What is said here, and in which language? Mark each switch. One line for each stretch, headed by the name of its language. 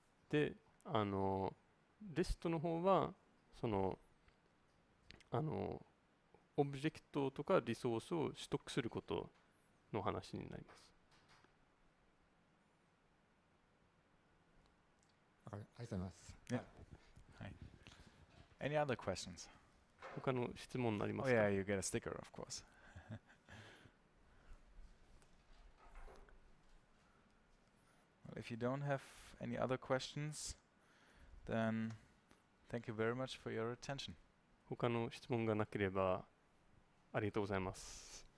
Japanese: で、あの REST の方はそのあのオブジェクトとかリソースを取得することの話になります。ありがとうございます。はい。
English: Any other questions?
Japanese: 他の質問になりますか?
English: Oh yeah, you get a sticker, of course. Well, if you don't have any other questions, then thank you very much for your attention.
Japanese: 他の質問がなければありがとうございます。